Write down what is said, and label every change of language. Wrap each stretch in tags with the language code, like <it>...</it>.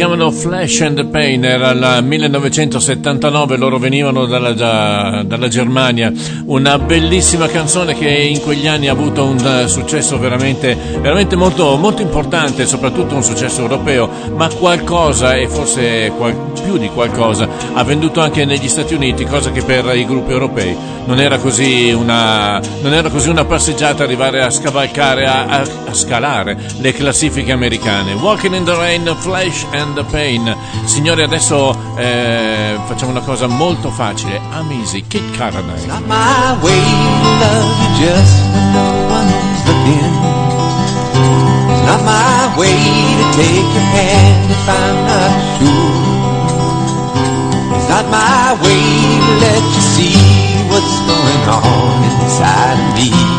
<it>Flesh and Pain, era il 1979, loro venivano dalla Germania, una bellissima canzone che in quegli anni ha avuto un successo veramente, veramente molto, molto importante, soprattutto un successo europeo, ma qualcosa, e forse più di qualcosa, ha venduto anche negli Stati Uniti, cosa che per i gruppi europei non era così una passeggiata arrivare a scavalcare, a scalare le classifiche americane.</it> <en>Walking in the rain, flesh and the pain.</en> <it>Signori, adesso facciamo una cosa molto facile.</it> <en>I'm easy, Kid Caradine. It's not my way, love, just when no one's looking. It's not my way to take your hand if I'm not sure. It's not my way to let you see what's going on inside of me.</en>